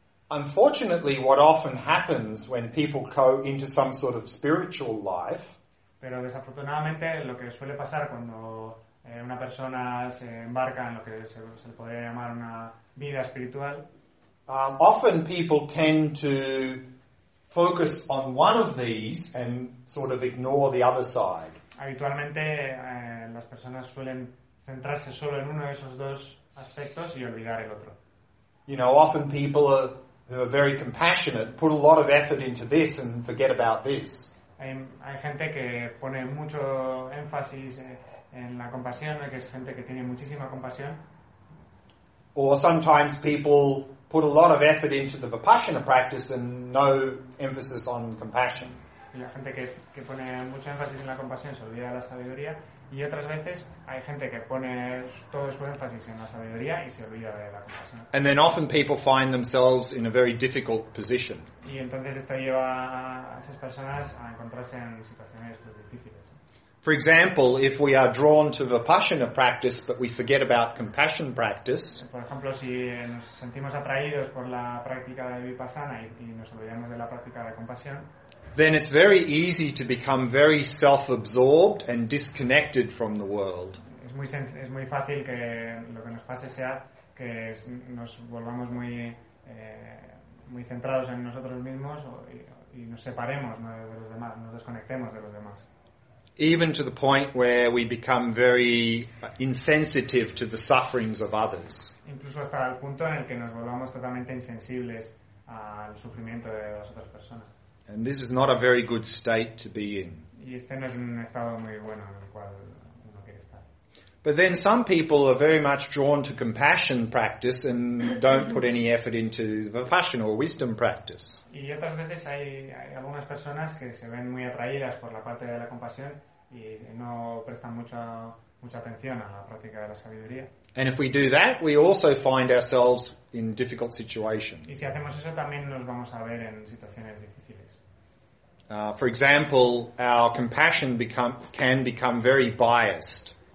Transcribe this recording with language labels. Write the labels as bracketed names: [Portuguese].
[English] Unfortunately, what often happens when people go into some sort of spiritual life, [Spanish] pero desafortunadamente lo que suele pasar cuando una persona se embarca en lo que se le podría llamar una vida espiritual, [English] often people tend to focus on one of these and sort of ignore the other side. [Spanish] Habitualmente las personas suelen centrarse solo en uno de esos dos aspectos y olvidar el otro. [English] You know, often people who are very compassionate put a lot of effort into this and forget about this. [Spanish] Hay gente que pone mucho énfasis en la compasión, que es gente que tiene muchísima compasión. [English] Or sometimes people put a lot of effort into the Vipassana practice and no emphasis on compassion. [Spanish] La gente que pone mucho énfasis en la compasión se olvida de la sabiduría, y otras veces hay gente que pone todo su énfasis en la sabiduría y se olvida de la compasión. [English] And then often people find themselves in a very difficult position. [Spanish] Y entonces esto lleva a esas personas a encontrarse en situaciones difíciles. [English] For example, if we are drawn to Vipassana practice but we forget about compassion practice, [Spanish] por ejemplo, si nos sentimos atraídos por la práctica de Vipassana y nos olvidamos de la práctica de compasión, [English] then it's very easy to become very self-absorbed and disconnected from the world. [Spanish] Es muy fácil que lo que nos pase sea que nos volvamos muy muy centrados en nosotros mismos y nos separemos, ¿no?, de los demás, nos desconectemos de los demás. [English] Even to the point where we become very insensitive to the sufferings of others. [Spanish] Incluso hasta el punto en el que nos volvamos totalmente insensibles al sufrimiento de las otras personas. [English] And this is not a very good state to be in. [Spanish] Y este no es un estado muy bueno en el cual uno quiere estar. [English] But then some people are very much drawn to compassion practice and don't put any effort into Vipassana or wisdom practice. [Spanish] Y otras veces hay algunas personas que se ven muy atraídas por la parte de la compasión y no prestan mucha atención a la práctica de la sabiduría. [English] And if we do that, we also find ourselves in difficult situations. [Spanish] Y si hacemos eso, también nos vamos a ver en situaciones difíciles. [English] For example, our compassion can become very biased.